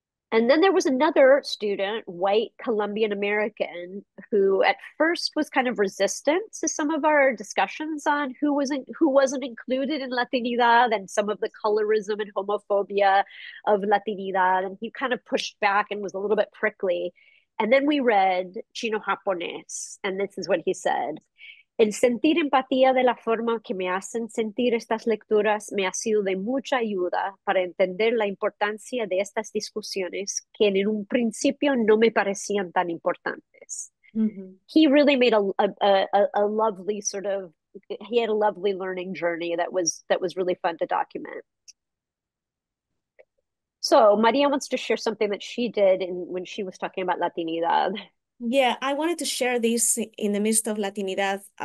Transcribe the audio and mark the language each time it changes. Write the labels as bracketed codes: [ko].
[en] And then there was another student, white Colombian American, who at first was kind of resistant to some of our discussions on who wasn't included in Latinidad and some of the colorism and homophobia of Latinidad. And he kind of pushed back and was a little bit prickly. And then we read Chino-Japonés, and this is what he said. [es] El sentir empatía de la forma que me hacen sentir estas lecturas me ha sido de mucha ayuda para entender la importancia de estas discusiones que en un principio no me parecían tan importantes. Mm-hmm. [en] He really made a lovely sort of, he had a lovely learning journey that was really fun to document. So Maria wants to share something that she did when she was talking about Latinidad. Yeah, I wanted to share this in the midst of Latinidad.